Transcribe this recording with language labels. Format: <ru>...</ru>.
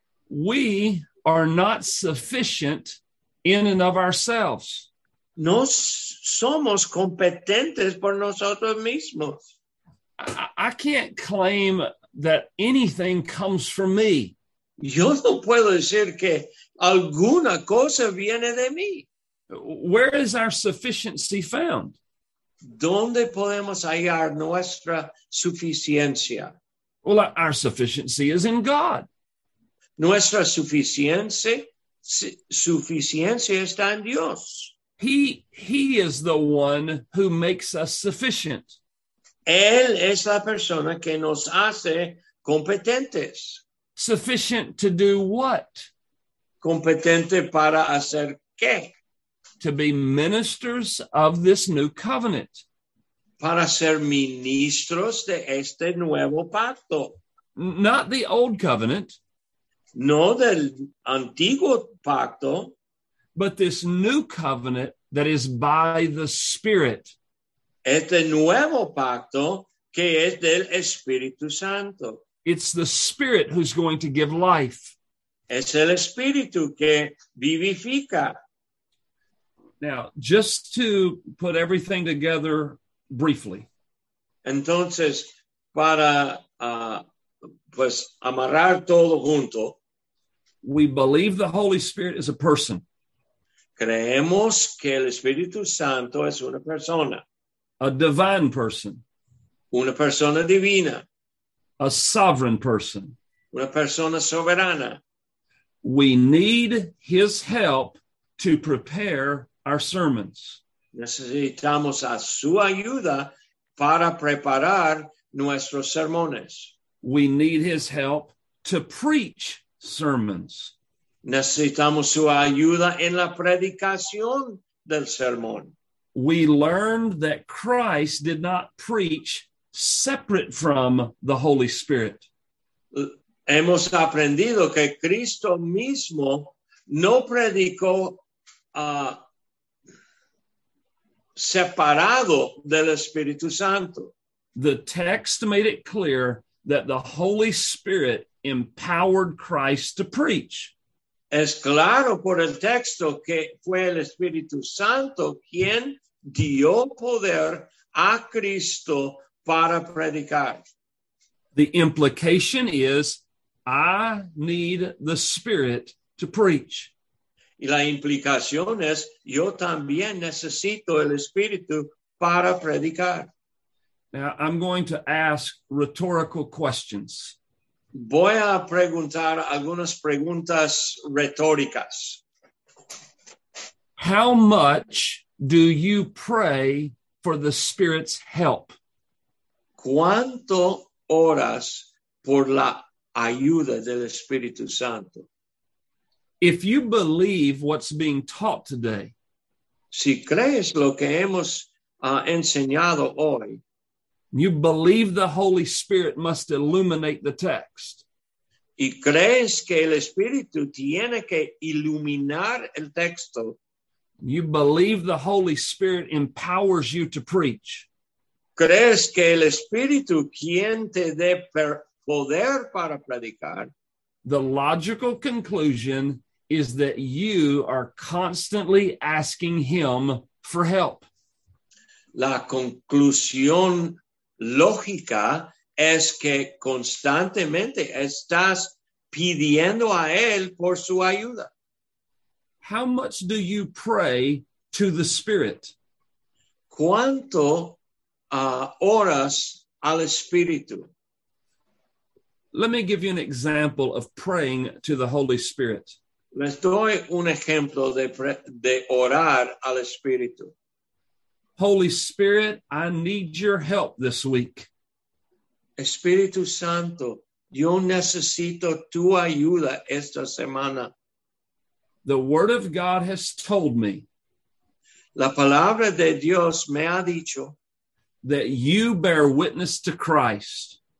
<en>We are not sufficient in and of ourselves.</en> <es>No somos competentes por nosotros mismos.</es> <en>I can't claim that anything comes from me.</en> <es>Yo no puedo decir que alguna cosa viene de mí.</es> <en>Where is our sufficiency found?</en> <es>¿Dónde podemos hallar nuestra suficiencia?</es> <en>Well, our sufficiency is in God.</en> <es>Nuestra suficiencia está en Dios.</es> <en>He is the one who makes us sufficient.</en> <es>Él es la persona que nos hace competentes.</es> <en>Sufficient to do what?</en> <es>Competente para hacer qué?</es> <en>To be ministers of this new covenant.</en> <es>Para ser ministros de este nuevo pacto.</es> <en>Not the old covenant.</en> <es>No del antiguo pacto.</es> <en>But this new covenant that is by the Spirit.</en> <es>Este nuevo pacto que es del Espíritu Santo.</es> <en>It's the Spirit who's going to give life.</en> <es>Es el Espíritu que vivifica.</es> <en>Now, just to put everything together briefly.</en> <es>Entonces, para pues amarrar todo junto.</es> <en>We believe the Holy Spirit is a person.</en> <es>Creemos que el Espíritu Santo es una persona.</es> <en>A divine person.</en> <es>Una persona divina.</es> <en>A sovereign person.</en> <es>Una persona soberana.</es> <en>We need his help to prepare our sermons.</en> <es>Necesitamos a su ayuda para preparar nuestros sermones.</es> <en>We need his help to preach sermons.</en> <es>Necesitamos su ayuda en la predicación del sermón.</es> <en>We learned that Christ did not preach separate from the Holy Spirit.</en> <es>Hemos aprendido que Cristo mismo no predicó separado del Espíritu Santo.</es> <en>The text made it clear that the Holy Spirit empowered Christ to preach.</en> <es>Es claro por el texto que fue el Espíritu Santo quien dio poder a Cristo para predicar.</es> <en>The implication is, I need the Spirit to preach.</en> <es>Y la implicación es, yo también necesito el Espíritu para predicar.</es> <en>Now, I'm going to ask rhetorical questions.</en> <es>Voy a preguntar algunas preguntas retóricas.</es> <en>How much do you pray for the Spirit's help?</en> <es>¿Cuánto oras por la ayuda del Espíritu Santo?</es> <en>If you believe what's being taught today,</en> <es>si crees lo que hemos enseñado hoy,</es> <en>you believe the Holy Spirit must illuminate the text.</en> <es>Y crees que el Espíritu tiene que iluminar el texto.</es> <en>You believe the Holy Spirit empowers you to preach.</en> <es>Crees que el Espíritu quien te dé poder para predicar.</es> <en>The logical conclusion is that you are constantly asking him for help.</en> <es>La conclusión lógica es que constantemente estás pidiendo a él por su ayuda.</es> <en>How much do you pray to the Spirit?</en> <es>¿Cuánto oras al Espíritu?</es> <en>Let me give you an example of praying to the Holy Spirit.</en> <es>Les doy un ejemplo de orar al Espíritu.</es> <en>Holy Spirit, I need your help this week.</en> <es>Espíritu Santo, yo necesito tu ayuda esta semana.</es> <en>The Word of God has told me.</en> <es>La palabra de Dios me ha dicho.</es> <en>That you bear witness to Christ.</en>